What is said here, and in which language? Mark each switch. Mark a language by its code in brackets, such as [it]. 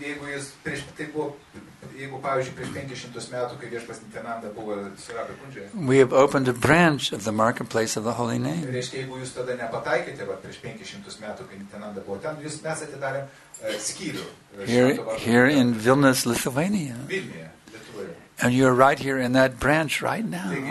[lt] jeigu jis prieš, tai buvo, jeigu, pavyzdžiui, prieš 500 metų, kai Viešpas Nityananda buvo Surabi Kundžoje. [en] We have opened a branch of the marketplace of the holy name. [lt] Reiškia, jeigu jūs tada nepataikėte, va, prieš 500 metų, kai Nityananda buvo ten, jūs mes atidarėm skyrių. [en] Here in Vilnius, Lithuania. [lt] Vilniuje. [en] And you're right here in that branch right now.